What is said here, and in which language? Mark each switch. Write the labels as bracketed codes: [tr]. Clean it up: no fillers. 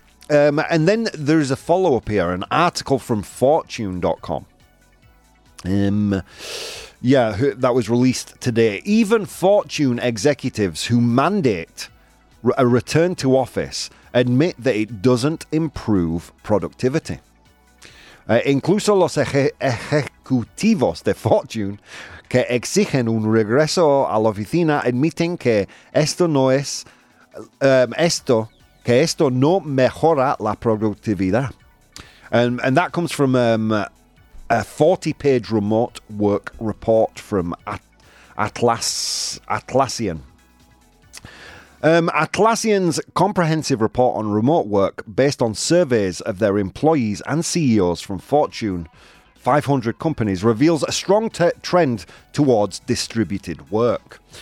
[en] And then there's a follow-up here, an article from Fortune.com. Yeah, that was released today. Even Fortune executives who mandate a return to office admit that it doesn't improve productivity. [es] Incluso los ejecutivos de Fortune que exigen un regreso a la oficina admiten que esto no es esto que esto no mejora la productividad. [en] And that comes from a 40-page remote work report from Atlassian. Atlassian's comprehensive report on remote work, based on surveys of their employees and CEOs from Fortune 500 companies, reveals a strong trend towards distributed work.